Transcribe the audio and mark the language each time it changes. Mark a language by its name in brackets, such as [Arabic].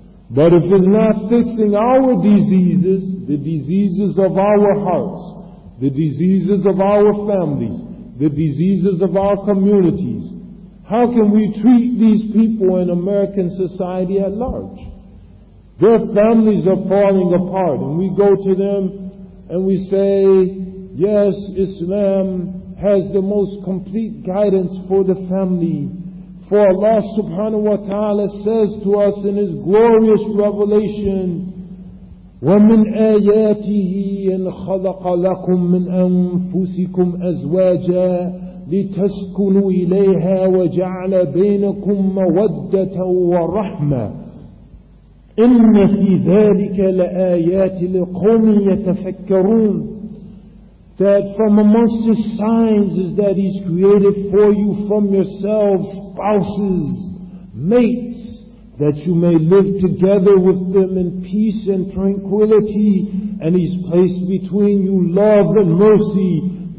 [English] But if it's not fixing our diseases, the diseases of our hearts, the diseases of our families, the diseases of our communities, how can we treat these people in American society at large? Their families are falling apart, and we go to them and we say, yes, Islam has the most complete guidance for the family. For Allah subhanahu wa ta'ala says to us in His glorious revelation, [Arabic] وَمِنْ آيَاتِهِ أَنْ خَلَقَ لَكُمْ مِنْ أَنْفُسِكُمْ أَزْوَاجًا لِتَسْكُنُوا إِلَيْهَا وَجَعْلَ بَيْنَكُمْ مَوَدَّةً وَرَحْمَةً إِنَّ فِي ذَلِكَ لَآيَاتٍ لِقَوْمٍ يَتَفَكَّرُونَ. [English] That from amongst his signs is that he's created for you from yourselves spouses, mates, that you may live together with them in peace and tranquility, and he's placed between you love and mercy.